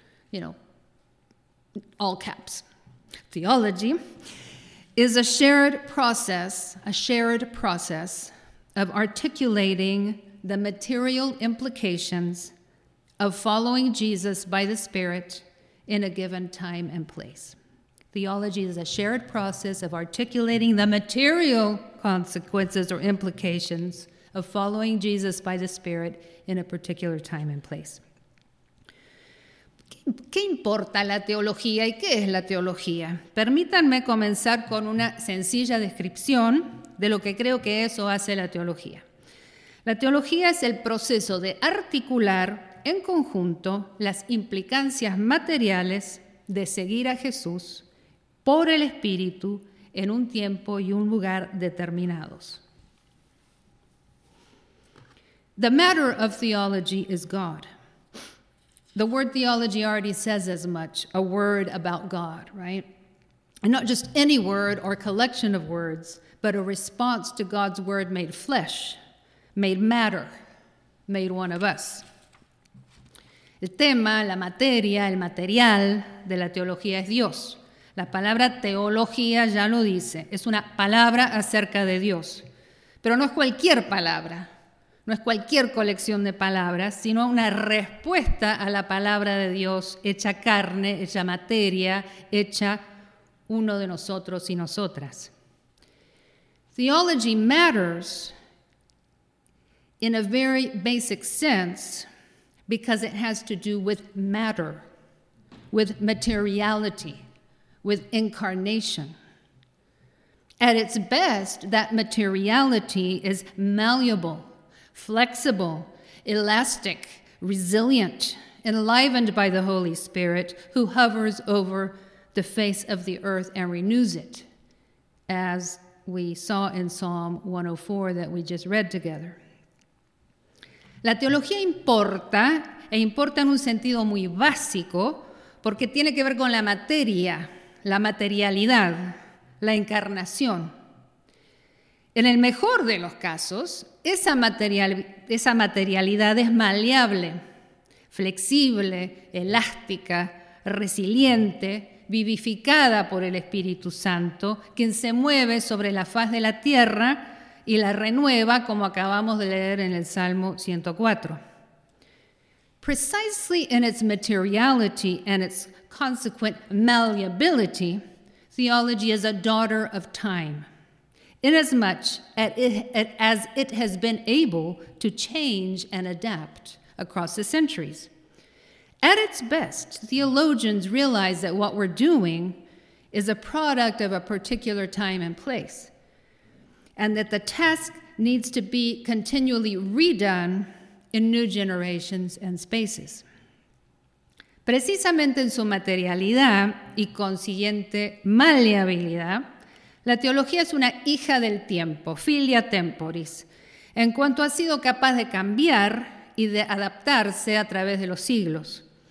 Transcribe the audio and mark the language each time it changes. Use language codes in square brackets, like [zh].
[en] You know, all caps. Theology is a shared process of articulating the material implications of following Jesus by the Spirit in a given time and place. Theology is a shared process of articulating the material consequences or implications of following Jesus by the Spirit in a particular time and place. [es] ¿Qué importa la teología y qué es la teología? Permítanme comenzar con una sencilla descripción de lo que creo que eso hace la teología. La teología es el proceso de articular en conjunto las implicancias materiales de seguir a Jesús por el Espíritu en un tiempo y un lugar determinados. [en] The matter of theology is God. The word theology already says as much, a word about God, right? And not just any word or collection of words, but a response to God's word made flesh, made matter, made one of us. [es] El tema, la materia, el material de la teología es Dios. La palabra teología ya lo dice, es una palabra acerca de Dios. Pero no es cualquier palabra, no es cualquier colección de palabras, sino una respuesta a la palabra de Dios hecha carne, hecha materia, hecha uno de nosotros y nosotras. [en] Theology matters in a very basic sense because it has to do with matter, with materiality, with incarnation. At its best, that materiality is malleable, flexible, elastic, resilient, enlivened by the Holy Spirit who hovers over the face of the earth and renews it, as we saw in Psalm 104 that we just read together. [es] La teología importa, e importa en un sentido muy básico, porque tiene que ver con la materia, la materialidad, la encarnación. En el mejor de los casos, esa materialidad es maleable, flexible, elástica, resiliente, vivificada por el Espíritu Santo, quien se mueve sobre la faz de la tierra y la renueva, como acabamos de leer en el Salmo 104. [en] Precisely in its materiality and its consequent malleability, theology is a daughter of time, inasmuch as it has been able to change and adapt across the centuries. At its best, theologians realize that what we're doing is a product of a particular time and place, and that the task needs to be continually redone in new generations and spaces. [es] Precisamente en su materialidad y consiguiente maleabilidad, la teología es una hija del tiempo, [la] filia temporis, [es] en cuanto ha sido capaz de cambiar y de adaptarse a través de los siglos.